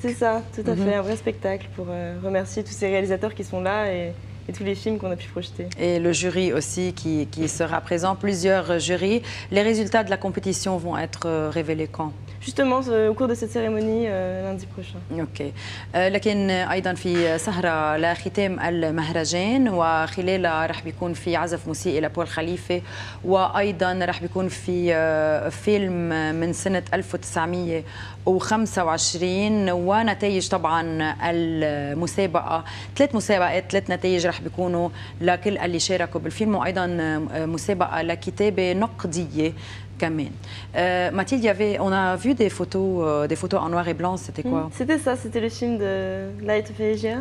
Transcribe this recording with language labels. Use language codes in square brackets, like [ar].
[fr] C'est ça, tout à fait, un vrai spectacle pour remercier tous ces réalisateurs qui sont là et tous les films qu'on a pu projeter. Et le jury aussi qui sera présent, plusieurs jurys. Les résultats de la compétition vont être révélés quand ? Justement, au cours de cette cérémonie, lundi prochain. OK. [ar] لكن أيضا في سهرة لختام المهرجان وخلالها راح بيكون في عزف موسيقي لبول خليفة وأيضا راح بيكون في فيلم من سنة 1925 ونتائج طبعا المسابقة ثلاث مسابقات ثلاث نتائج راح بيكونوا لكل اللي شاركوا بالفيلم وأيضا مسابقة لكتابة نقدية كمان. [fr] Mathilde, on a vu des photos en noir et blanc, c'était quoi? C'était ça, c'était le film de Light of Asia.